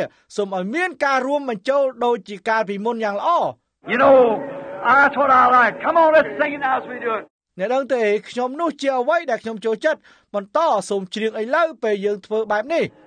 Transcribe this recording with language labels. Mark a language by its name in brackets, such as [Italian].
[Khmer] ឥឡូវកាលយើងកំពុងច្រៀងបទនោមម្ដងទៀតសូមឲ្យអ្នកមេតូឌីសបាបទីកាទូលិកព្រីសបីតេរៀនអ្វីក៏ដោយពេលយើងច្រៀងថាអស្ចារ្យព្រះយេស៊ូវសម្រាប់ខ្ញុំសូមបែរនឹងចាប់ដៃជាមួយគ្នាសូមឲ្យមានការរួមបញ្ចូលដូចជាកាលពីមុនយ៉ាងល្អ [English] You know, that's what I like. Come on, let's sing it now as we do it. [Khmer] អ្នកដឹងទេខ្ញុំនោះជាអ្វីដែលខ្ញុំចូលចិត្តបន្តសូមច្រៀងឥឡូវពេលយើងធ្វើបែបនេះ